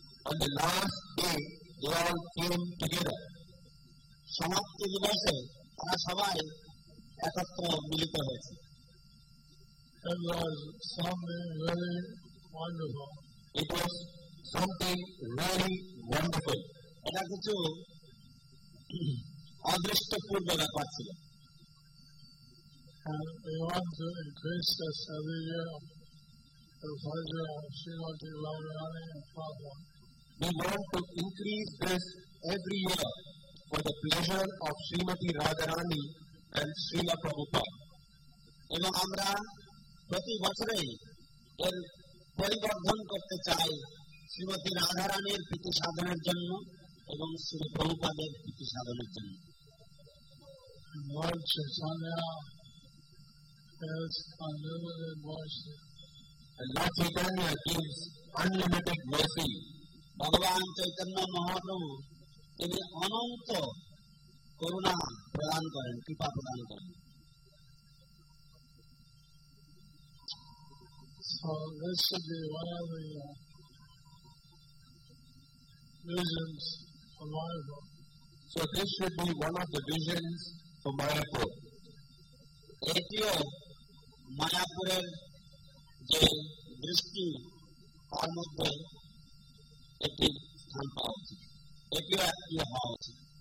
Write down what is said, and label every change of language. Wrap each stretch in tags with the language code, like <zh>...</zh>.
<en>On the last day, they all came together.</en> <bn>সমাপ্তি দিবসে তারা সবাই একত্র মিলিত হয়েছে।</bn> <en>It was something very wonderful. It was something very wonderful.</en> <bn>এটা কিছু অদৃষ্টপূর্ব ব্যাপার ছিল।</bn> <en>And they want to increase the salary of the Vajra of Srimati Radharani and Prabhupada. We want to increase this every year for the pleasure of Srimati Radharani and Srila Prabhupada.</en> <bn>এবং আমরা প্রতি বছরেই এর পরিবর্ধন করতে চাই শ্রীমতী রাধারানীর প্রীতি সাধনের জন্য এবং শ্রী প্রভুপাদের প্রীতি সাধনের জন্য।</bn> <en>Lord Chaitanya has unlimited mercy. And Lord Chaitanya gives unlimited mercy.</en> <bn>ভগবান চৈতন্য মহাপ্রভু তিনি অনন্ত করুণা প্রদান করেন, কৃপা প্রদান করেন।</bn> <en>So this should be one of the visions for Mayapur. So this should be one of the visions for Mayapur.</en> <bn>এটিও মায়াপুরের যে দৃষ্টি তার মধ্যে একটি স্থান পাওয়া উচিত, এটিও একটি হওয়া উচিত।</bn>